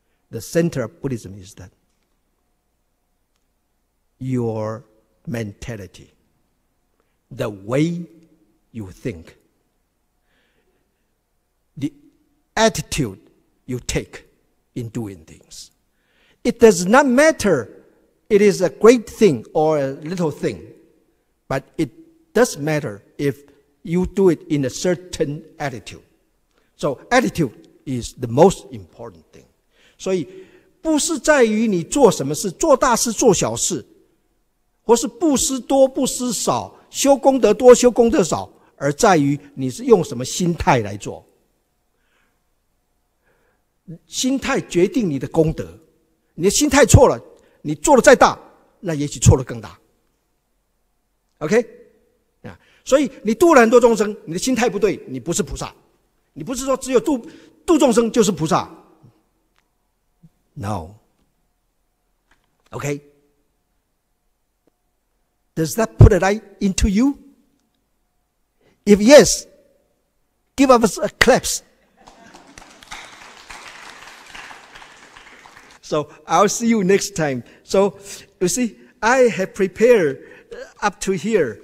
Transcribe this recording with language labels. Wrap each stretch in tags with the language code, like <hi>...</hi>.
<en>The center of Buddhism is that your mentality, the way you think, the attitude you take in doing things. It does not matter it is a great thing or a little thing, but it does matter if you do it in a certain attitude. So attitude is the most important thing.</en> <zh>所以布施在于你做什么事，做大事做小事，或是布施多布施少，修功德多修功德少，而在于你是用什么心态来做。心态决定你的功德，你的心态错了，你做的再大，那也许错的更大。 OK， 所以你度了很多众生，你的心态不对，你不是菩萨。你不是说只有 度众生就是菩萨。</zh> <en>No。 OK， Does that put a light into you? If yes, give us a claps. So I'll see you next time. So you see, I have prepared up to here.</en>